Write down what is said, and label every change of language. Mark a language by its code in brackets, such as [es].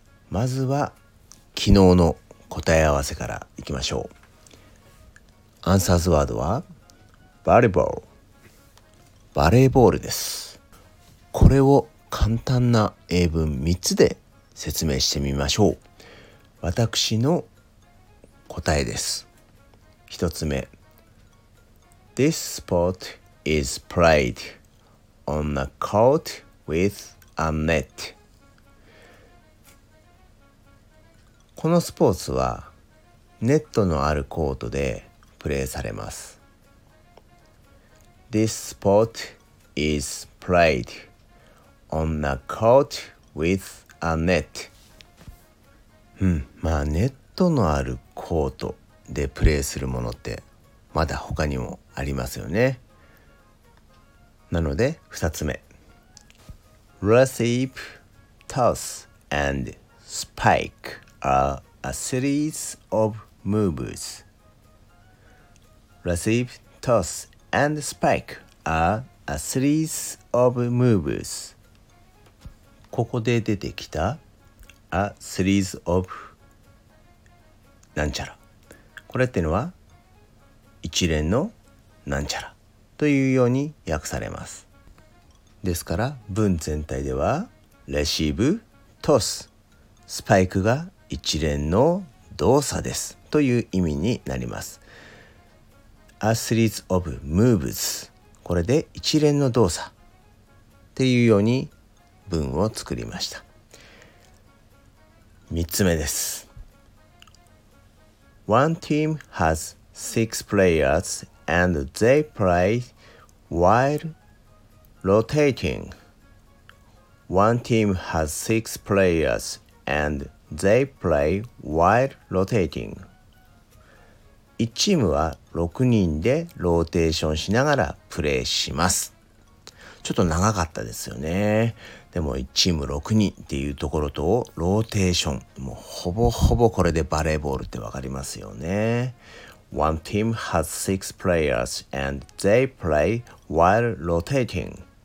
[ja] まずは昨日の答え合わせからいきましょう。アンサーズワードはバレーボール、バレーボールです。これを簡単な英文3つで説明してみましょう。私の答えです。 [en] 1つ目、 This sport is played on a court with a net。 [ja] このスポーツはネットのあるコートでプレーされます。 [en] This sport is played on a court with a net。 [ja] ネットのあるコートでプレーするものってまだ他にもありますよね。 [en] なので2つ目、 Receive, toss and spike are a series of moves. Receive, toss and spike are a series of moves. [ja] ここで出てきた a series of なんちゃら、これっていうのは一連のなんちゃらというように訳されます。ですから文全体ではレシーブ、トス、スパイクが一連の動作ですという意味になります。 A series of moves、 これで一連の動作っていうように文を作りました。 3つ目です。 [en] One team has six players and they play while rotating. One team has six players and they play while rotating. [ja] 一チームは6人でローテーションしながらプレーします。ちょっと長かったですよね。でも1チーム6人っていうところとローテーション、もうほぼほぼこれでバレーボールってわかりますよね。 [en] One team has six players and they play while rotating.